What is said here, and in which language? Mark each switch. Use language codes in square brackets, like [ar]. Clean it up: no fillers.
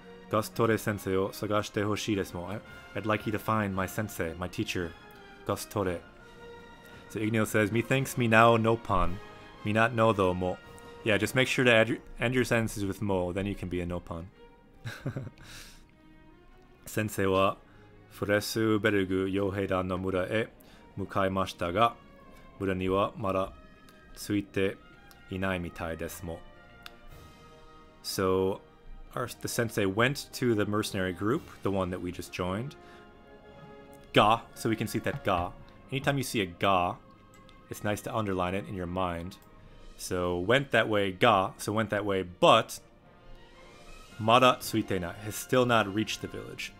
[ja] ガストレ先生を探してほしいですも。 [en] I'd like you to find my sensei, my teacher, [ja] ガストレ。 [en] So Ignil says, methinks me now no pun, me not know though も。 Yeah, just make sure to end your sentences with mo, then you can be a no pun. [ja] 先生はフレスベルグ傭兵団の村へ向かいましたが、村にはまだついていないみたいですも。 [en] So, the sensei went to the mercenary group, the one that we just joined. Ga, so we can see that ga. Anytime you see a ga, it's nice to underline it in your mind. So went that way, ga, so went that way, but [ja] mada tsuite na, [en] has still not reached the village.